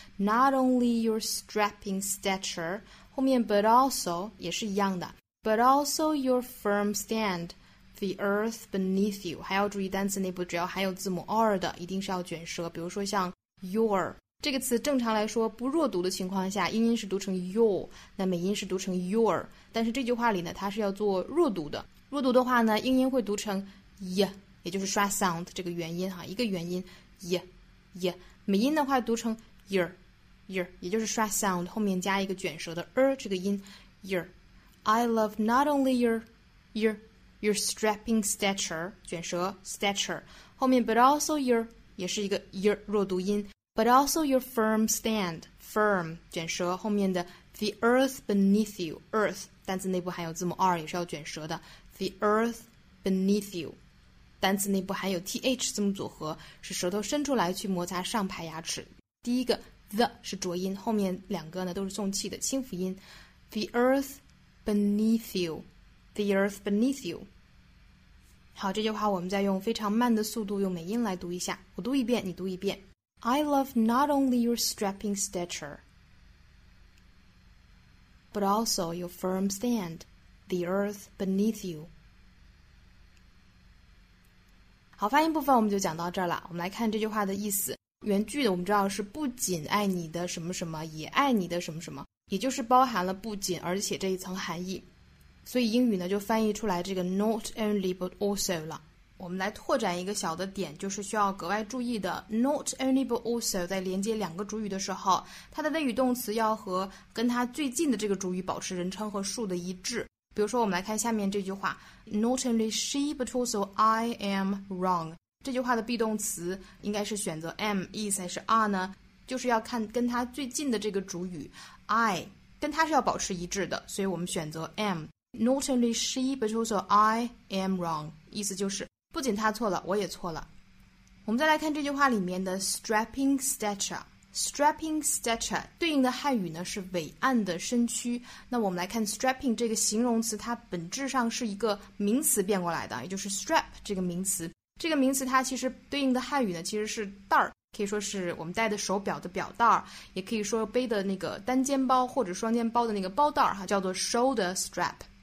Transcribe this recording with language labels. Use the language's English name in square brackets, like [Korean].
[English] not only your strapping stature， [Chinese] 后面 [English] but also 也是一样的， but also your firm stand the earth beneath you， [Chinese] 还要注意单词内部只要含有字母 r 的一定是要卷舌，比如说像 your这个词正常来说不弱读的情况下英音是读成 your， 那美音是读成 your， 但是这句话里呢它是要做弱读的，弱读的话呢英音会读成 y， 也就是刷 sound 这个元音哈，一个元音 y y， 美音的话读成 yer yer， 也就是刷 sound 后面加一个卷舌的 r 这个音 yer。 [English] I love not only your strapping stature 卷舌 stature 后面 but also your 也是一个 yer 弱读音，But also your firm stand, firm, 卷舌后面的 the earth beneath you, earth, [Chinese] 单词内部含有字母 r 也是要卷舌的 [English] the earth beneath you, [Chinese] 单词内部含有 th 字母组合是舌头伸出来去摩擦上排牙齿，第一个 the 是浊音，后面两个呢都是送气的轻辅音 [English] the earth beneath you, [Chinese] the earth beneath you。好，这句话我们再用非常慢的速度用美音来读一下，我读一遍你读一遍。 [English] I love not only your strapping stature, but also your firm stand, the earth beneath you. [Chinese] 好，发音部分我们就讲到这儿了。我们来看这句话的意思。原句的我们知道是不仅爱你的什么什么，也爱你的什么什么，也就是包含了不仅而且这一层含义。所以英语呢就翻译出来这个 not only but also 了。我们来拓展一个小的点，就是需要格外注意的 not only but also 在连接两个主语的时候，它的谓语动词要和跟它最近的这个主语保持人称和数的一致。比如说我们来看下面这句话， [English] not only she but also I am wrong， [Chinese] 这句话的 be 动词应该是选择 am is 还是 are 呢，就是要看跟它最近的这个主语 I 跟它是要保持一致的，所以我们选择 am。 [English] not only she but also I am wrong [Chinese] 意思就是不仅他错了我也错了。我们再来看这句话里面的 strapping stature， strapping stature 对应的汉语呢是伟岸的身躯，那我们来看 strapping 这个形容词它本质上是一个名词变过来的，也就是 strap 这个名词，这个名词它其实对应的汉语呢其实是带儿，可以说是我们戴的手表的表带儿，也可以说背的那个单肩包或者双肩包的那个包带儿哈，叫做 shoulder strap。